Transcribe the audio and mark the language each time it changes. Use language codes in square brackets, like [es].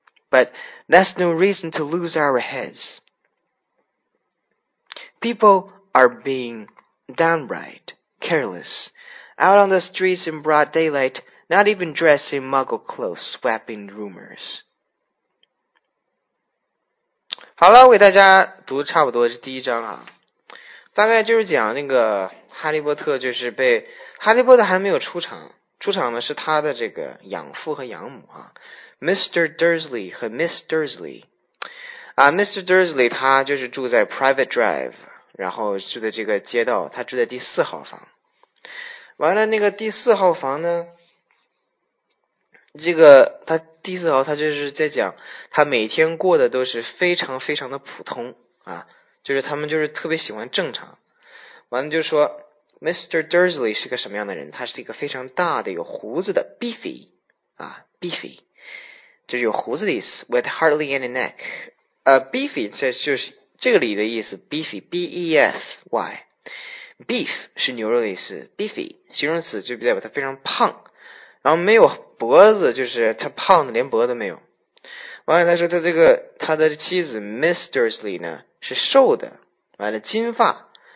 [en] But that's no reason to lose our heads. People are being downright careless, out on the streets in broad daylight, not even dressed in muggle clothes, swapping rumors." [zh] 好了，给大家读差不多是第一章啊，大概就是讲那个哈利波特，就是被哈利波特还没有出场，出场的是他的这个养父和养母啊。 Mr. Dursley 和 Miss Dursley、Mr. Dursley 他就是住在 Private Drive， 然后住在这个街道，他住在第四号房。完了那个第四号房呢，这个他第四号他就是在讲他每天过的都是非常非常的普通啊，就是他们就是特别喜欢正常。完了就说Mr. Dursley 是个什么样的人？他是一个非常大的有胡子的 beefy 啊 ，beefy 就是有胡子的意思。 [en] With hardly any neck， [zh] beefy 这就是这个里的意思。 beefy b e f y， beef 是牛肉的意思 ，beefy 形容词就代表他非常胖，然后没有脖子，就是他胖的连脖子都没有。完了，他说他这个他的妻子 Miss Dursley 呢是瘦的，完了金发。